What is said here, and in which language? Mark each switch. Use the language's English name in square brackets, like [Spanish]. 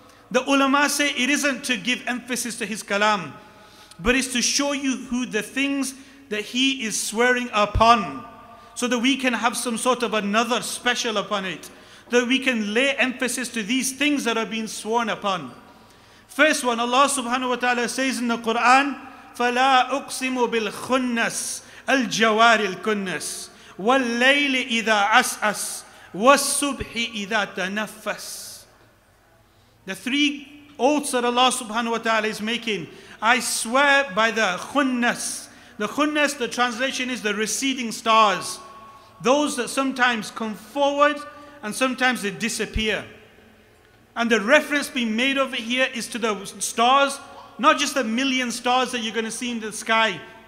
[English] The ulama say it isn't to give emphasis to his kalam, but it's to show you who the things that he is swearing upon, so that we can have some sort of another special upon it, that we can lay emphasis to these things that are being sworn upon. First one, Allah subhanahu wa ta'ala says in the Quran, [Arabic] فَلَا أُقْسِمُ بِالْخُنَّسِ الْجَوَارِ الْكُنَّسِ وَاللَّيْلِ إِذَا عَسْعَسْ وَالصُّبْحِ إِذَا تَنَفَّسْ. [English] The three oaths that Allah subhanahu wa ta'ala is making, I swear by the khunnas. The khunnas, the translation is the receding stars. Those that sometimes come forward and sometimes they disappear. And the reference being made over here is to the stars, not just the million stars that you're going to see in the sky.